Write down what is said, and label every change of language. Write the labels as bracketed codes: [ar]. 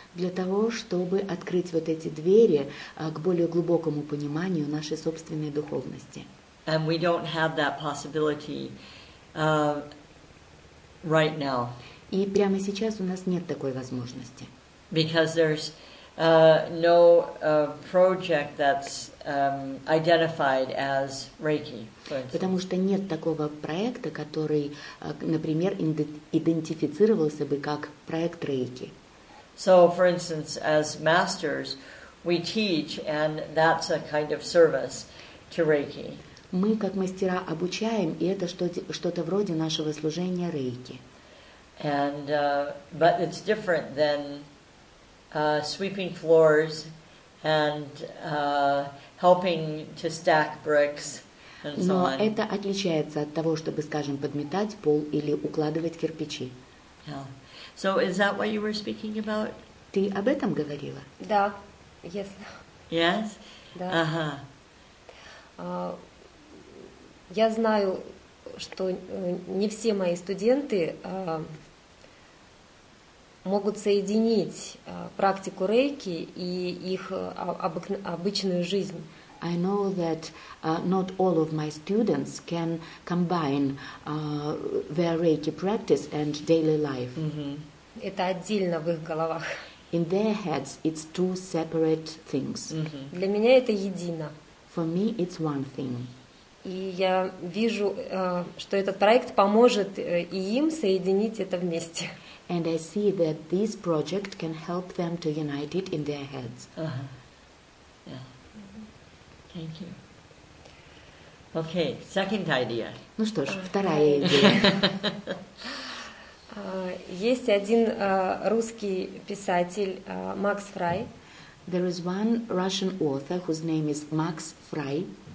[ru] Для того, чтобы открыть вот эти двери к более глубокому пониманию нашей собственной духовности. [en] And we don't have that possibility right now. [ru] И прямо сейчас у нас нет такой возможности. [en] Because there's no project that's identified as Reiki. [ru] Потому что нет такого проекта, который, например, идентифицировался бы как проект Рейки. [en] So, for instance, as masters, we teach, and that's a kind of service to Reiki. [ru] Мы как мастера обучаем, и это что-то вроде нашего служения Рейки. [en] And but it's different than sweeping floors and helping to stack bricks and so [ru] Но [en] on. [ru] Но это отличается от того, чтобы, скажем, подметать пол или укладывать кирпичи. [en] Yeah. So is that what you were speaking about? [ru] Ты об этом говорила? Да, ясно. [en] Yes? [ru] Да. Ага. Я знаю, что не все мои студенты могут соединить практику рейки и их обычную жизнь. [en] I know that not all of my students can combine their Reiki practice and daily life. [ru] Это отдельно в их головах. [en] In their heads, it's two separate things. [ru] Для меня это едино. [en] For me, it's one thing. [ru] И я вижу, что этот проект поможет и им соединить это вместе. [en] And I see that this project can help them to unite it in their heads. Thank you. Okay, second idea. [ru] Ну что ж, вторая идея. Есть один русский писатель, Макс Фрай. [en] There is one Russian author whose name is Max Frei.